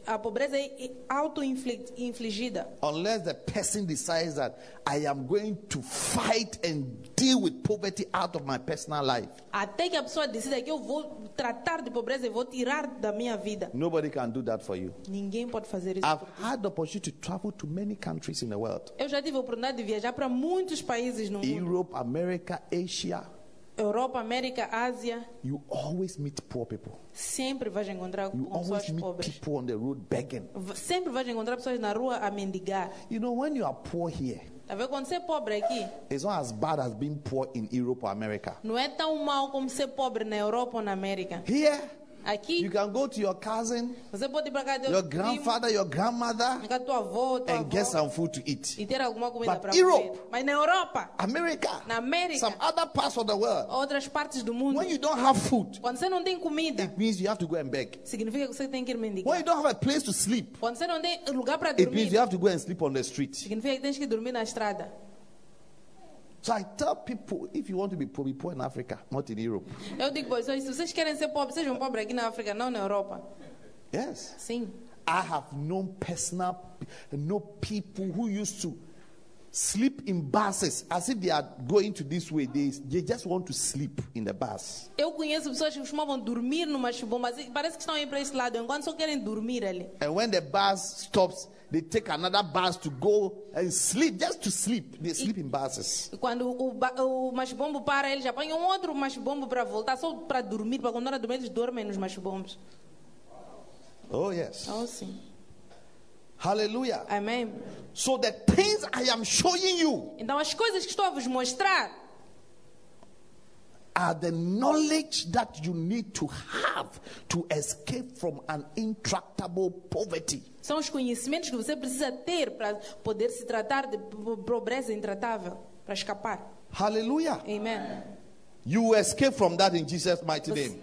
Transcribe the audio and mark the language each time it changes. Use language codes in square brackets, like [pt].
[pt] A pobreza é auto-infligida. [en] Unless the person decides that I am going to fight and deal with poverty out of my personal life. [pt] Até que a pessoa decida que eu vou tratar de pobreza e vou tirar da minha vida. [en] Nobody can do that for you. [pt] Ninguém pode fazer isso. [en] I've had the opportunity to travel to many countries in the world. [pt] Eu já tive a oportunidade de viajar para muitos países no mundo. [en] Europe, America, Asia. [pt] Europa, América, Ásia. [en] You always meet poor people. [pt] Sempre vais encontrar [en] you [pt] pessoas pobres. [en] You always meet people on the road begging. [pt] Sempre vais encontrar pessoas na rua a mendigar. [en] You know when you are poor here. [pt] Tá vendo quando você é pobre aqui? [en] It's not as bad as being poor in Europe or America. [pt] Não é tão mal como ser pobre na Europa ou na América. [en] Here. [pt] Aqui, [en] you can go to your cousin, [pt] você pode ir para casa, [en] your grandfather, [pt] primo, [en] your grandmother, [pt] tua avó, tua [en] and [pt] avó, [en] get some food to eat. [pt] E ter alguma comida [en] but Europe, [pt] comer. Mas na Europa, [en] America, [pt] na América, [en] some other parts of the world, [pt] outras partes do mundo, [en] when you don't have food, [pt] quando você não tem comida, [en] it means you have to go and beg. [pt] Significa que você tem que ir mendigar. [en] When you don't have a place to sleep, [pt] quando você não tem lugar para dormir, [en] it means you have to go and sleep on the street. [pt] Significa que tens que dormir na estrada. [en] So I tell people, if you want to be poor, be poor in Africa, not in Europe. [pt] Eu digo, se vocês querem ser pobres, sejam pobres aqui na África, não na Europa. [en] Yes. [pt] Sim. [en] I have known personal, know people who used to sleep in buses as if they are going to this way. They just want to sleep in the bus. [pt] Eu conheço pessoas que costumavam dormir numa chuva, parece que estão indo para esse lado, enquanto só querem dormir ali. [en] And when the bus stops, they take another bus to go and sleep, just to sleep. They sleep in buses. [pt] Quando o machibombo para, eles já põem outro machibombo para voltar, só para dormir, para quando não dormir, eles dormem nos machibombos. [en] Oh, yes. [pt] Oh, sim. [en] Hallelujah. Amen. So the things I am showing you, [pt] então as coisas que estou a vos mostrar, [en] are the knowledge that you need to have to escape from an intractable poverty. [pt] São os conhecimentos que você precisa ter para poder se tratar de pobreza intratável, para escapar. [en] Hallelujah. Amen. You will escape from that in Jesus' mighty name.